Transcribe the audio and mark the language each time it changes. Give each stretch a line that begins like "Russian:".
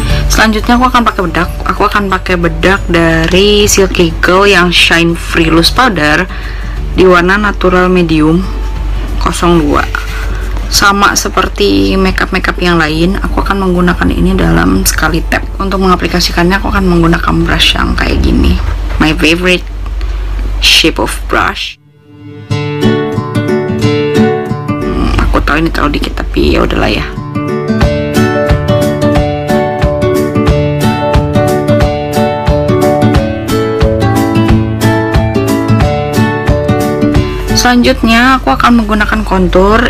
Indonesian: Selanjutnya aku akan pakai bedak. Aku akan pakai bedak dari Silky Girl yang Shine Free Loose Powder di warna natural medium 02. Sama seperti makeup-makeup yang lain, aku akan menggunakan ini dalam sekali tap. Untuk mengaplikasikannya, aku akan menggunakan brush yang kayak gini.
English: My favorite shape of brush.
Indonesian: Aku tahu ini terlalu dikit, tapi ya udahlah ya. Selanjutnya aku akan menggunakan contour.